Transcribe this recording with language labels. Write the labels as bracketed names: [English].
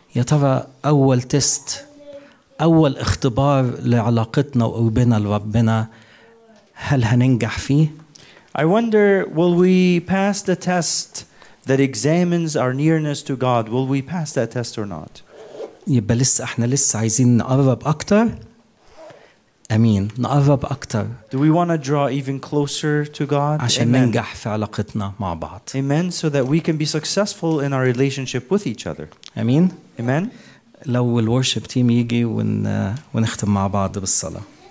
[Arabic] يا ترى أول تست أول اختبار لعلاقتنا وقربنا لربنا هل هننجح فيه؟ [English] I wonder, will we pass the test that examines our nearness to God? Will we pass that test or not? [Arabic] يبقى لسه احنا لسه عايزين نقرب أكتر أمين نقرب أكثر. [English] Do we want to draw even closer to God? [Arabic] عشان ننجح في علاقتنا مع بعض. [English] Amen. So that we can be successful in our relationship with each other. [Arabic] أمين. [English] Amen. [Arabic] لو ال worship team يجي ونختم مع بعض بالصلاة.